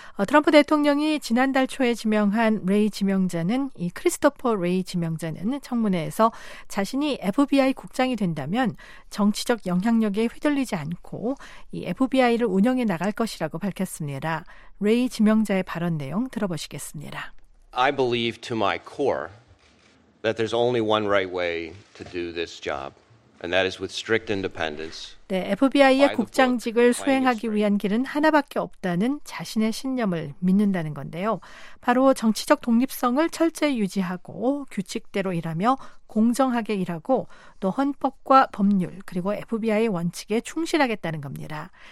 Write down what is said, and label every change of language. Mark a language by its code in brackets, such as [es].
[ko] 트럼프 대통령이 지난달 초에 지명한 레이 지명자는 이 크리스토퍼 레이 지명자는 청문회에서 자신이 FBI 국장이 된다면 정치적 영향력에 휘둘리지 않고 이 FBI를 운영해 나갈 것이라고 밝혔습니다. 레이 지명자의 발언 내용 들어보시겠습니다. [en] I believe to my core that there's only one right way to do this job, and that is with strict independence. [ko] 네, FBI의 국장직을 수행하기 위한 길은 하나밖에 없다는 자신의 신념을 믿는다는 건데요. 바로 정치적 독립성을 철저히 유지하고 규칙대로 일하며 공정하게 일하고 또 헌법과 법률 그리고 FBI의 원칙에 충실하겠다는 겁니다.